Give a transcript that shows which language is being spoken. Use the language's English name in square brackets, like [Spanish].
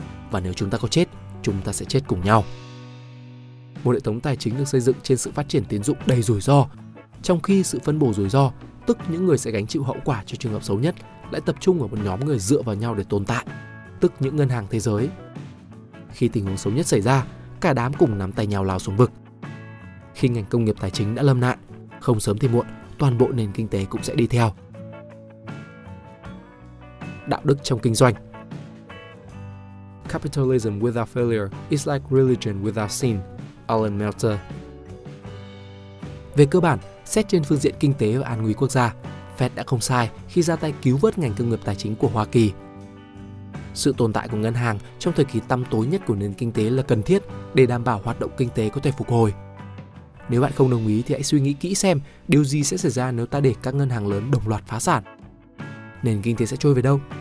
[Vietnamese] Và nếu chúng ta có chết, chúng ta sẽ chết cùng nhau. Một hệ thống tài chính được xây dựng trên sự phát triển tín dụng đầy rủi ro, trong khi sự phân bổ rủi ro, tức những người sẽ gánh chịu hậu quả cho trường hợp xấu nhất, lại tập trung ở một nhóm người dựa vào nhau để tồn tại, tức những ngân hàng thế giới. Khi tình huống xấu nhất xảy ra, cả đám cùng nắm tay nhau lao xuống vực. Khi ngành công nghiệp tài chính đã lâm nạn, không sớm thì muộn, toàn bộ nền kinh tế cũng sẽ đi theo. Đạo đức trong kinh doanh. [English] Capitalism without failure is like religion without sin, Alan Meltzer. [Vietnamese] Về cơ bản, xét trên phương diện kinh tế và an nguy quốc gia, Fed đã không sai khi ra tay cứu vớt ngành công nghiệp tài chính của Hoa Kỳ. Sự tồn tại của ngân hàng trong thời kỳ tăm tối nhất của nền kinh tế là cần thiết để đảm bảo hoạt động kinh tế có thể phục hồi. Nếu bạn không đồng ý thì hãy suy nghĩ kỹ xem điều gì sẽ xảy ra nếu ta để các ngân hàng lớn đồng loạt phá sản. Nền kinh tế sẽ trôi về đâu?